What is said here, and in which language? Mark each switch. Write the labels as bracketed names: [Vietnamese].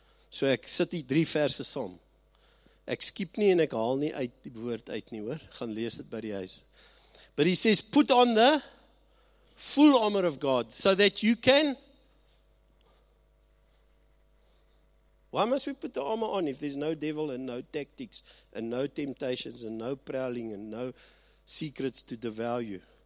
[Afrikaans] So ek sit die drie verse saam. Ek skiep nie en ek haal nie uit die woord uit nie hoor. Gaan lees dit by die huis. [English] But he says, put on the full armor of God so that you can. Why must we put the armor on if there's no devil and no tactics and no temptations and no prowling and no secrets to devour you?